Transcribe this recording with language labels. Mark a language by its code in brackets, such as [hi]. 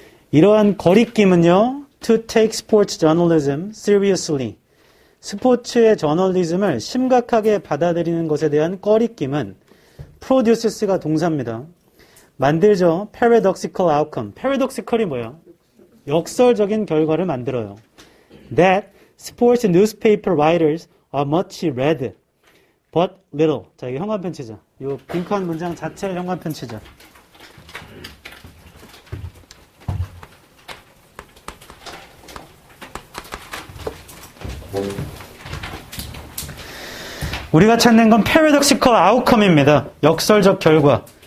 [ko] 이러한 거리낌은요, [en] to take sports journalism seriously. [ko] 스포츠의 저널리즘을 심각하게 받아들이는 것에 대한 거리낌은 produces가 동사입니다. 만들죠. paradoxical outcome. paradoxical이 뭐야? 역설적인 결과를 만들어요. [en] That sports newspaper writers are much read, but little. [ko] 자, 이게 형광펜치죠. 이 빈칸 문장 자체를 형광펜치죠. 우리가 찾는 건 paradoxical outcome입니다. 역설적 결과.